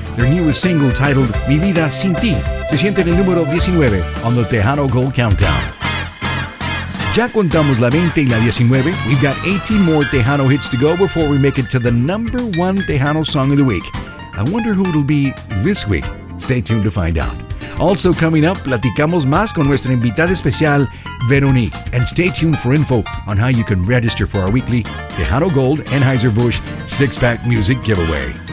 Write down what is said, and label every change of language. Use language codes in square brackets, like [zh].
[en] Their newest single titled Mi Vida Sin Ti [es] se siente en el número 19 [en] on the Tejano Gold Countdown. [es] Ya contamos la 20 y la 19. [en] We've got 18 more Tejano hits to go before we make it to the number one Tejano song of the week. I wonder who it'll be this week. Stay tuned to find out. Also coming up, [es] platicamos más con nuestra invitada especial, Veronique. [en] And stay tuned for info on how you can register for our weekly Tejano Gold Anheuser-Busch six-pack music giveaway.